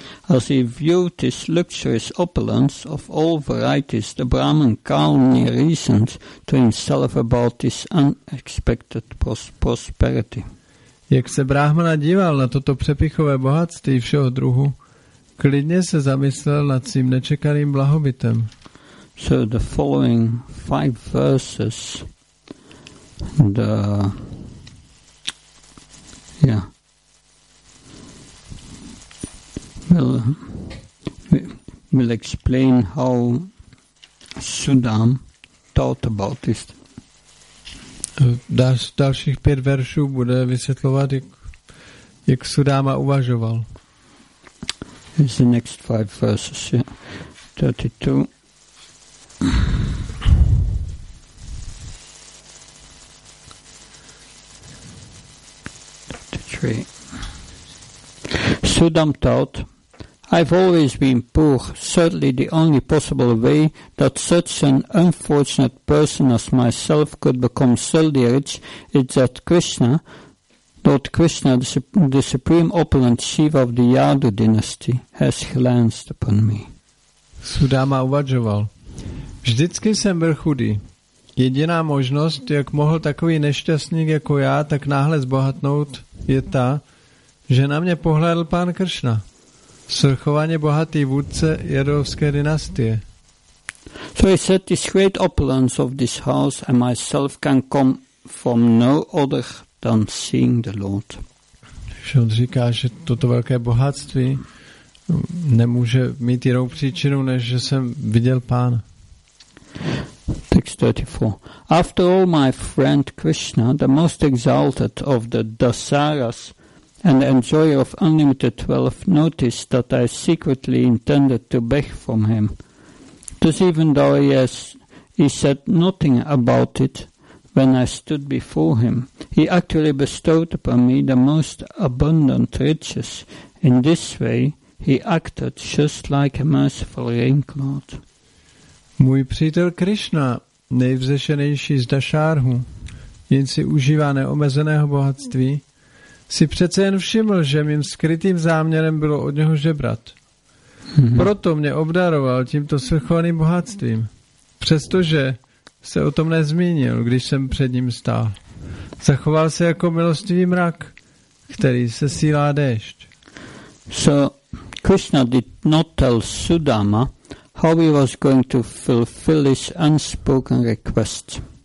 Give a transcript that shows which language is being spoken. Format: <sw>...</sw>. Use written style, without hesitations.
<en>As he viewed this luxurious opulence of all varieties, the Brahmin calmly reasoned to himself about this unexpected prosperity.</en> <cs>Jak se Brahmana díval na toto přepichové bohatství všeho druhu, klidně se zamyslel nad svým nečekaným blahobytem.</cs> <en>So the following five verses, we'll explain how Sudam thought about this.</en> <cs>Dalších pět veršů bude vysvětlovat, jak Sudama uvažoval.</cs> <en>It's the next five verses, 32. Sudam thought, I've always been poor. Certainly the only possible way that such an unfortunate person as myself could become wealthy rich is that Lord Krishna, the supreme opulent chief of the Yadu dynasty, has glanced upon me.</en> <cs>Sudama uvažoval. Vždycky jsem byl chudý. Jediná možnost, jak mohl takový nešťastník jako já tak náhle zbohatnout, je ta, že na mě pohlédl pán Kršna, svrchovaně bohatý vůdce jadovské dynastie.</cs> <en>So he said, this great opulence of this house and myself can come from no other than seeing the Lord.</en> <cs>Že on říká, že toto velké bohatství nemůže mít jinou příčinu, než že jsem viděl pána.</cs> <en>Text 34. After all, my friend Krishna, the most exalted of the Dasaras and the enjoyer of unlimited wealth, noticed that I secretly intended to beg from him. Thus, even though he said nothing about it when I stood before him, he actually bestowed upon me the most abundant riches. In this way, he acted just like a merciful rain cloud.</en> <cs>Můj přítel Krishna, nejvzešenější z Dašárhu, jen si užívá neomezeného bohatství, si přece jen všiml, že mým skrytým záměrem bylo od něho žebrat. Proto mě obdaroval tímto svrchovaným bohatstvím, přestože se o tom nezmínil, když jsem před ním stál. Zachoval se jako milostivý mrak, který sesílá déšť.</cs> <en>So Krishna did not tell Sudama how he was going to fulfill his unspoken request.</en>